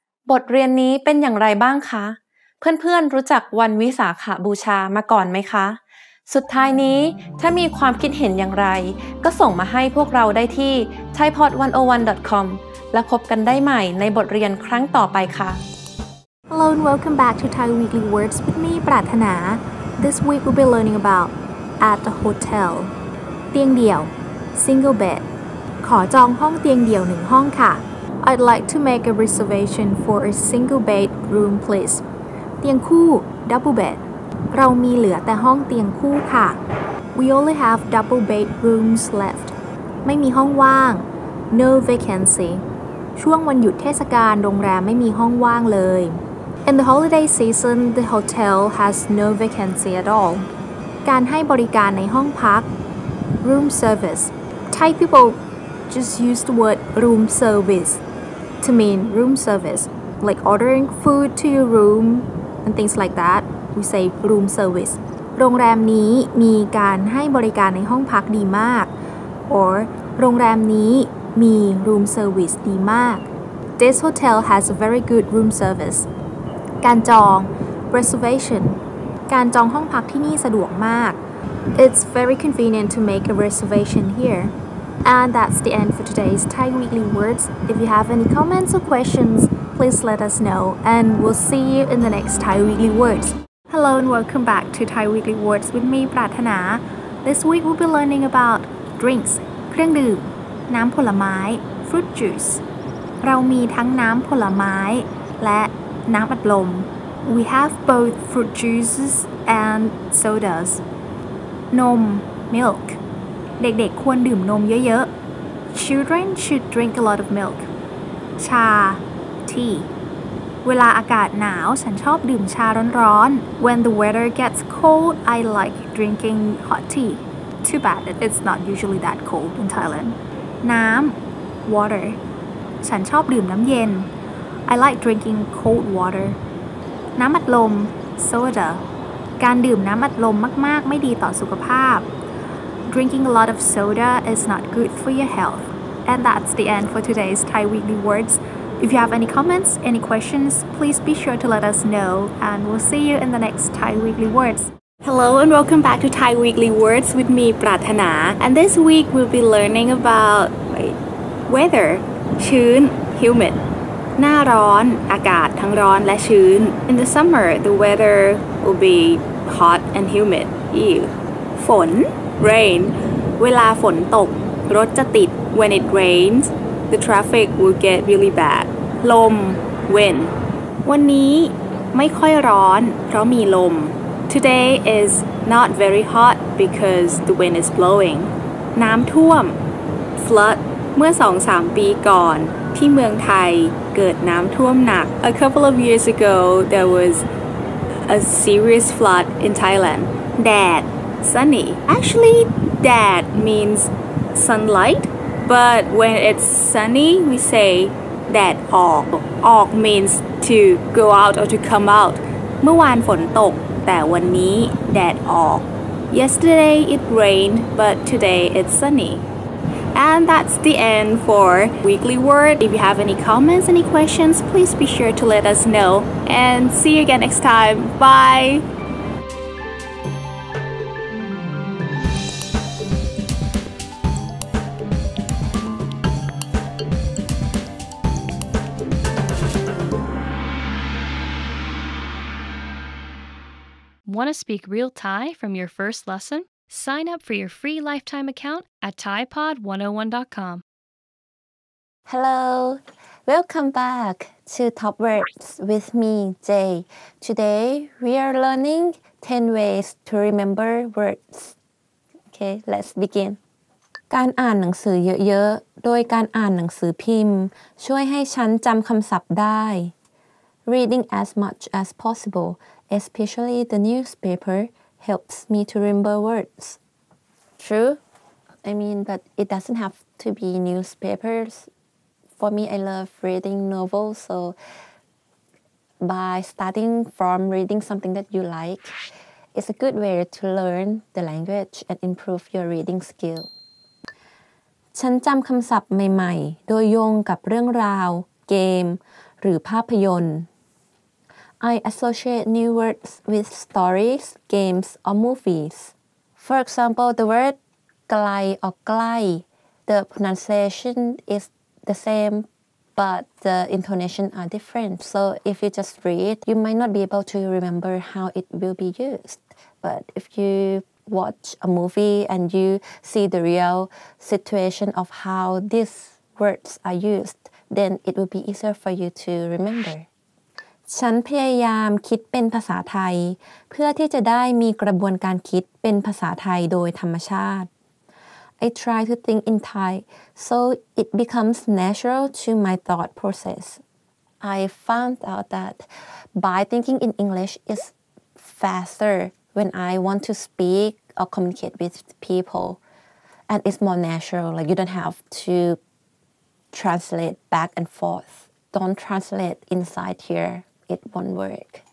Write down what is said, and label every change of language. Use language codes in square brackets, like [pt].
[th] บทเรียนนี้เป็นอย่างไรบ้างคะเพื่อนๆรู้จักวันวิสาขบูชามาก่อนไหมคะสุดท้ายนี้ถ้ามีความคิดเห็นอย่างไรก็ส่งมาให้พวกเราได้ที่ thaipod101.com และพบกันได้ใหม่ในบทเรียนครั้งต่อไปคะ่ะ [en] Hello and welcome back to Thai Weekly Words with me, Prathana. This week we'll be learning about at the hotel, เตียงเดียว single bed. [th] ขอจองห้องเตียงเดียว1ห้องค่ะ [en] I'd like to make a reservation for a single bed room, please. [th] เตียงคู่ double bed. เรามีเหลือแต่ห้องเตียงคู่ค่ะ [en] We only have double bed rooms left. [th] ไม่มีห้องว่าง no vacancy. ช่วงวันหยุดเทศกาลโรงแรมไม่มีห้องว่างเลย [en] In the holiday season, the hotel has no vacancy at all. [th] การให้บริการในห้องพัก room service. [en] Thai people just use the word room service to mean room service, like ordering food to your room and things like that. We say room service. [th] โรงแรมนี้มีการให้บริการในห้องพักดีมาก Or โรงแรมนี้มี room service ดีมาก [en] This hotel has a very good room service. [th] การจอง reservation. การจองห้องพักที่นี่สะดวกมาก [en] It's very convenient to make a reservation here. And that's the end for today's Thai Weekly Words. If you have any comments or questions, please let us know. And we'll see you in the next Thai Weekly Words. Hello and welcome back to Thai Weekly Words with me, Prathana. This week we'll be learning about drinks, เครื่องดื่ม น้ำผลไม้ fruit juice. [th] เรามีทั้งน้ำผลไม้และน้ำอัดลม [en] We have both fruit juices and sodas. นม milk. [th] เด็กๆควรดื่มนมเยอะๆ [en] Children should drink a lot of milk ชา tea [th] เวลาอากาศหนาวฉันชอบดื่มชาร้อนๆ [en] When the weather gets cold I like drinking hot tea Too bad that it's not usually that cold in Thailand น้ำ water [th] ฉันชอบดื่มน้ำเย็น [en] I like drinking cold water [th] น้ำอัดลม soda การดื่มน้ำอัดลมมากๆไม่ดีต่อสุขภาพ [en] Drinking a lot of soda is not good for your health. And that's the end for today's Thai Weekly Words. If you have any comments, any questions, please be sure to let us know. And we'll see you in the next Thai Weekly Words. Hello and welcome back to Thai Weekly Words with me, Prathana. And this week we'll be learning about weather. Chun, humid. [th] หน้าร้อน อากาศทั้งร้อนและชื้น [en] In the summer, the weather will be hot and humid. Ew. ฝนRain. [th] เวลาฝนตกรถจะติด [en] When it rains, the traffic will get really bad. ลม Wind. [th] วันนี้ไม่ค่อยร้อนเพราะมีลม [en] Today is not very hot because the wind is blowing. น้ำท่วม Flood. [th] เมื่อ 2-3 ปีก่อนที่เมืองไทยเกิดน้ำท่วมหนัก [en] A couple of years ago, there was a serious flood in Thailand. แดดSunny. Actually, dad means sunlight, but when it's sunny, we say dad ออก ออก means to go out or to come out. [th] เมื่อวานฝนตกแต่วันนี้ dad ออก [en] Yesterday it rained, but today it's sunny. And that's the end for Weekly Word. If you have any comments, any questions, please be sure to let us know. And see you again next time. Bye! Want to speak real Thai from your first lesson? Sign up for your free lifetime account at ThaiPod101.com. Hello, welcome back to Top Words with me, Jay. Today, we are learning 10 ways to remember words. Okay, let's begin. [th] การอ่านหนังสือเยอะๆโดยการอ่านหนังสือพิมพ์ช่วยให้ฉันจำคำศัพท์ได้ [en] Reading as much as possible. Especially the newspaper helps me to remember words. True. I mean, but it doesn't have to be newspapers. For me, I love reading novels. So by starting from reading something that you like, it's a good way to learn the language and improve your reading skill. [th] ฉันจำคำศัพท์ใหม่ๆโดยโยงกับเรื่องราวเกมหรือภาพยนตร์ [en] I associate new words with stories, games, or movies. For example, the word glai or glai, the pronunciation is the same, but the intonation are different. So if you just read, you might not be able to remember how it will be used. But if you watch a movie and you see the real situation of how these words are used, then it will be easier for you to remember. [th] ฉันพยายามคิดเป็นภาษาไทยเพื่อที่จะได้มีกระบวนการคิดเป็นภาษาไทยโดยธรรมชาติ [en] I try to think in Thai so it becomes natural to my thought process. I found out that by thinking in English is faster when I want to speak or communicate with people and it's more natural like you don't have to translate back and forth. Don't translate inside here.It won't work.